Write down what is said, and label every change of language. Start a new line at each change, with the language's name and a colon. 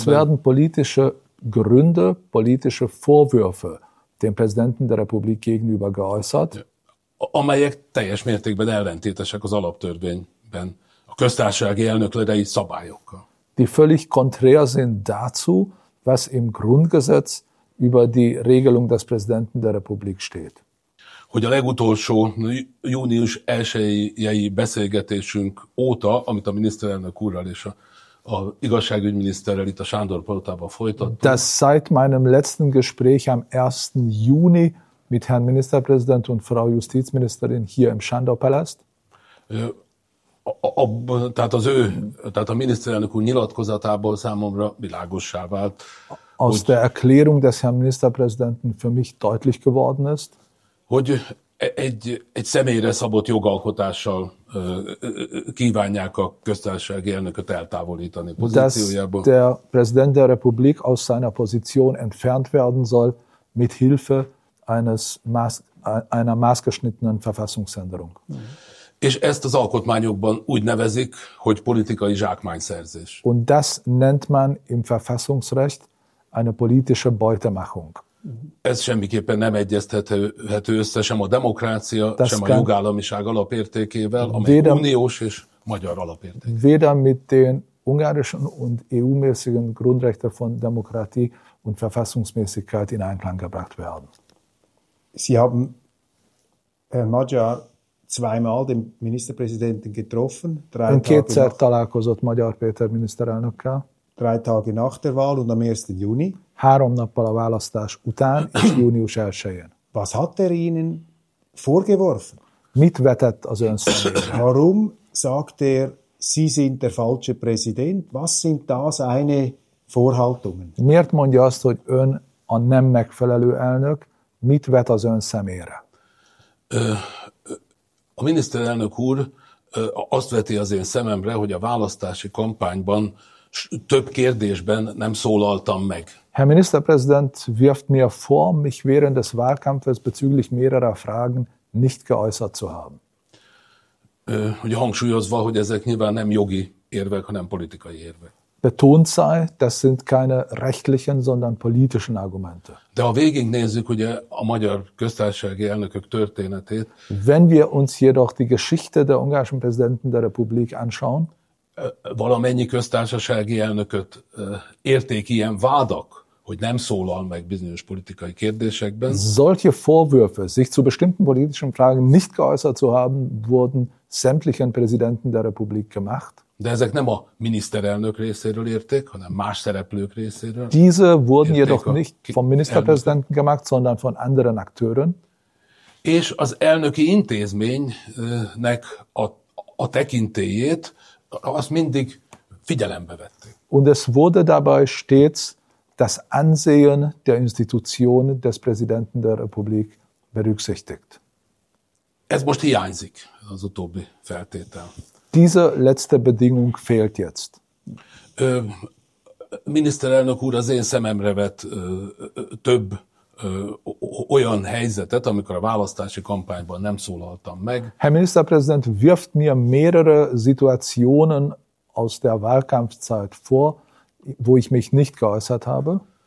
German: Es werden politische Gründe, politische Vorwürfe dem Präsidenten der Republik gegenüber geäußert.
Hungarian: Amelyek teljes mértékben ellentétesek az alaptörvényben a köztársasági elnökleri szabályokkal.
German: Die völlig konträr sind dazu, was im Grundgesetz über die Regelung des Präsidenten der Republik steht.
Hungarian: Hogy a legutolsó június 1-i beszélgetésünk óta, amit a miniszterelnök úrral és a igazságügyminiszterrel itt a Sándor Palotában folytattunk.
German: Das seit meinem letzten Gespräch am 1. Juni mit Herrn Ministerpräsident und Frau Justizministerin hier im Sándor-palaszt.
Hungarian: Tehát a miniszterelnök úr nyilatkozatából számomra világossá vált.
German: Aus der Erklärung des Herrn Ministerpräsidenten für mich deutlich geworden ist,
Hungarian: hogy egy személyre szabott jogalkotással kívánják a köztársasági elnököt eltávolítani pozíciójából.
German: Dass der Präsident der Republik aus seiner Position entfernt werden soll mit Hilfe einer maßgeschnittenen Verfassungsänderung.
Hungarian: És ezt az alkotmányokban úgy nevezik, hogy politikai zsákmányszerzés.
German: Und das nennt man im Verfassungsrecht eine politische Beutemachung.
Hungarian: Ez semmiképpen nem egyeztethető össze sem a demokrácia,
German: das
Hungarian: sem a jogállamiság alapértékével, amely uniós és magyar alapérték.
German: Weder mit den ungarischen und EU-mäßigen Grundrechten von Demokratie und Verfassungsmäßigkeit in Einklang gebracht werden. Sie haben Herrn Magyar zweimal den Ministerpräsidenten getroffen. Und
Hungarian: kétszer találkozott Magyar Péter miniszterelnökkel.
German: Drei Tage nach der Wahl und am 1. Juni.
Hungarian: Három nappal a választás után és június 1-én.
German: Was hat er Ihnen vorgeworfen?
Hungarian: Mit vetett az ön szemére?
German: Warum sagt er, Sie sind der falsche Präsident? Was sind da seine Vorhaltungen?
Hungarian: Miért mondja azt, hogy ön a nem megfelelő elnök? Mit vet az ön szemére? A miniszterelnök úr azt veti az én szememre, hogy a választási kampányban több kérdésben nem szólaltam meg.
German: Herr Ministerpräsident wirft mir vor, mich während des Wahlkampfes bezüglich mehrerer Fragen nicht geäußert zu haben.
Hungarian: Hogy hangsúlyozva, hogy ezek nyilván nem jogi érvek, hanem politikai érvek.
German: Betont sei, das sind keine rechtlichen, sondern politischen Argumente.
Hungarian: De ha végignézzük ugye a magyar köztársasági elnökök történetét.
German: Wenn wir uns jedoch die Geschichte der ungarischen Präsidenten der Republik anschauen,
Hungarian: valamennyi köztársasági elnököt érték ilyen vádak, hogy nem szólal meg bizonyos politikai kérdésekben.
German: Solche Vorwürfe, sich zu bestimmten politischen Fragen nicht geäußert zu haben, wurden sämtlichen Präsidenten der Republik gemacht.
Hungarian: De ezek nem a miniszterelnök részéről érték, hanem más szereplők részéről.
German: Diese wurden jedoch nicht vom Ministerpräsidenten gemacht, sondern von anderen Akteuren.
Hungarian: És az elnöki intézménynek a tekintélyét azt mindig figyelembe vették.
German: Und es wurde dabei stets das Ansehen der Institution des Präsidenten der Republik berücksichtigt.
Hungarian: Ez most hiányzik, az utóbbi feltétel.
German: Diese letzte Bedingung fehlt jetzt.
Hungarian: Miniszterelnök úr az én szememre vett több olyan helyzetet, amikor a választási kampányban nem szólaltam meg.
German: Herr Ministerpräsident wirft mir mehrere Situationen aus der Wahlkampfzeit vor, wo ich mich nicht geäußert habe.